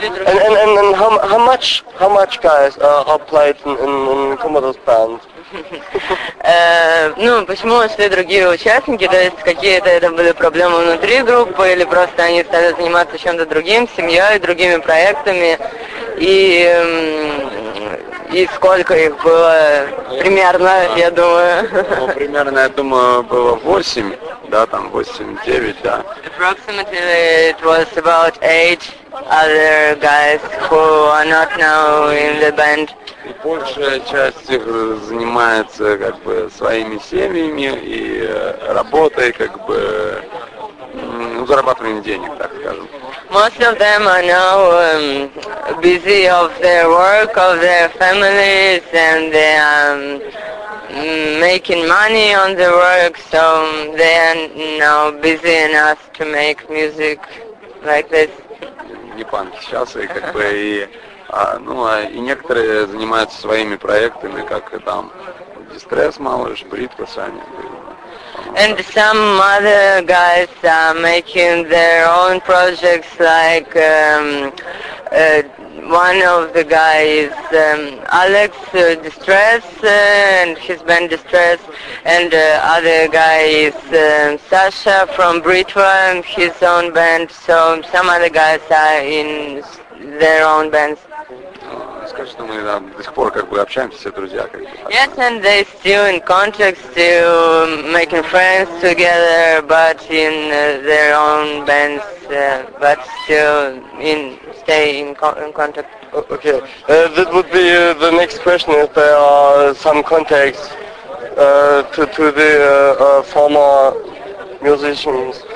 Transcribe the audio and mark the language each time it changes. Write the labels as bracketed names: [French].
[English] And how much guys are played in Commodores band? [Russian] Ну, почему ушли другие участники, то есть какие-то это были проблемы внутри группы, или просто они стали заниматься чем-то другим, семьей, другими проектами, и сколько их было примерно, я думаю? Ну, примерно, я думаю, было 8, да, там 8-9, да. [English] Approximately it was about 8 other guys who are not now in the band. [Russian] И большая часть их занимается как бы своими семьями и работой, как бы, зарабатывание денег, так скажем. [English] Most of them are now busy of their work, of their families, and they are making money on the work, so they are now busy enough to make music like this. [Russian] Не панк сейчас, и как бы и и некоторые занимаются своими проектами, как там Distress, Малыш, Бритка, Саня. [English] And some other guys are making their own projects, like one of the guys, Alex Distress, and his band Distress, and other guy is Sasha from Britva, and his own band, so some other guys are in their own bands. [Russian] Скажи, что мы там до сих пор как бы общаемся, все друзья как бы. [English] Yes, and they still in contact, still making friends together, but in their own bands, but still stay in contact. Okay, that would be the next question, if there are some contacts to the former musicians.